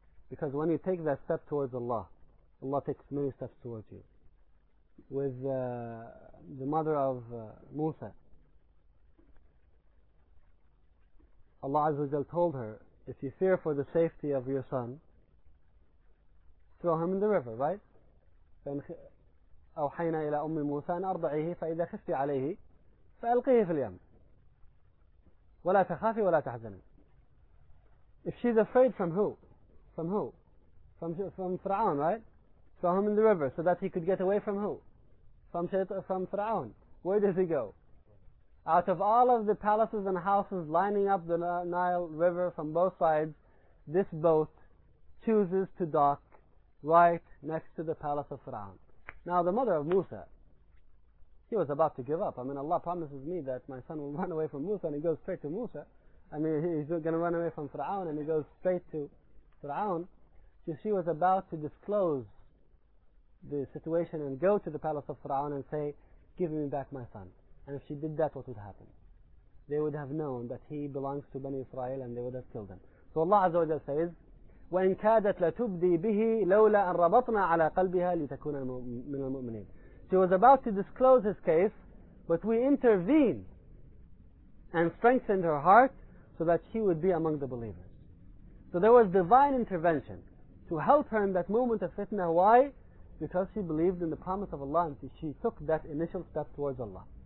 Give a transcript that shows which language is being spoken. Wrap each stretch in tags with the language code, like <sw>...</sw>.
<en>Because when you take that step towards Allah, Allah takes many steps towards you. With the mother of Musa, Allah Azza wa Jal told her, if you fear for the safety of your son, throw him in the river, right?</en> <ar>أوحينا إلى أم موسى أن أرضعيه فإذا خفتي عليه فألقيه في اليم ولا تخافي ولا تحزني.</ar> <en>If she's afraid from who? From who? From Fir'aun, right? Throw him in the river so that he could get away from who? From Fir'aun. Where does he go? Out of all of the palaces and houses lining up the Nile River from both sides, this boat chooses to dock right next to the palace of Fir'aun. Now the mother of Musa, he was about to give up. I mean, Allah promises me that my son will run away from Musa and he goes straight to Musa. I mean, he's going to run away from Fir'aun and he goes straight to Fir'aun. So she was about to disclose the situation and go to the palace of Fir'aun and say, give me back my son. And if she did that, what would happen? They would have known that he belongs to Bani Israel and they would have killed him. So Allah Azza wa Jal says,</en> <ar>وَإِنْ كَادَتْ لَتُبْدِي بِهِ لَوْلَا أَنْ رَبَطْنَا عَلَىٰ قَلْبِهَا لِتَكُونَ مِنَ الْمُؤْمِنِينَ.</ar> <en>She was about to disclose his case, but we intervened and strengthened her heart so that she would be among the believers. So there was divine intervention to help her in that moment of fitna. Why? Because she believed in the promise of Allah and she took that initial step towards Allah.</en>